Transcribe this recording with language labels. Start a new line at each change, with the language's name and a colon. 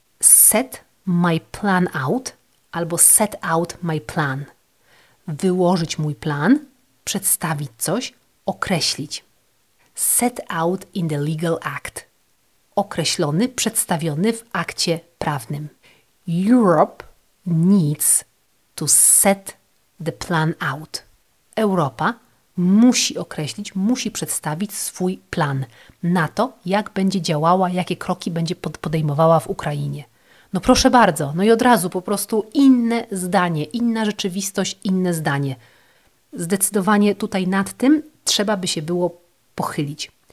English: Set my plan out
Polish: albo
English: set out my plan.
Polish: Wyłożyć mój plan, przedstawić coś, określić.
English: Set out in the legal act.
Polish: Określony, przedstawiony w akcie prawnym.
English: Europe needs to set the plan out.
Polish: Europa musi określić, musi przedstawić swój plan na to, jak będzie działała, jakie kroki będzie podejmowała w Ukrainie. No proszę bardzo, no i od razu po prostu inne zdanie, inna rzeczywistość, inne zdanie. Zdecydowanie tutaj nad tym trzeba by się było pochylić.